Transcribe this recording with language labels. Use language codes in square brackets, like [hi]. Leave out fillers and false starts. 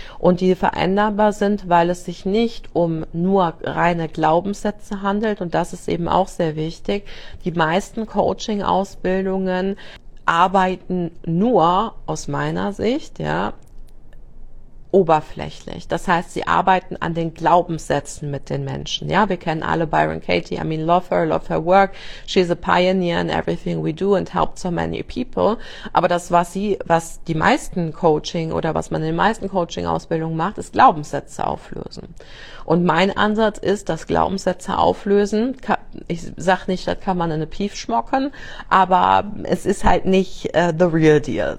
[de] Und die veränderbar sind, weil es sich nicht um nur reine Glaubenssätze handelt und das ist eben auch sehr wichtig. Die meisten Coaching-Ausbildungen arbeiten nur aus meiner Sicht, ja, oberflächlich. Das heißt, sie arbeiten an den Glaubenssätzen mit den Menschen. Ja, wir kennen alle Byron Katie. [en] I mean, love her work. She's a pioneer in everything we do and helps so many people. [de] Aber das, was die meisten Coaching oder was man in den meisten Coaching-Ausbildungen macht, ist Glaubenssätze auflösen. Und mein Ansatz ist, dass Glaubenssätze auflösen. Ich sag nicht, das kann man in eine Pief schmocken, aber es ist halt nicht [en] the real deal.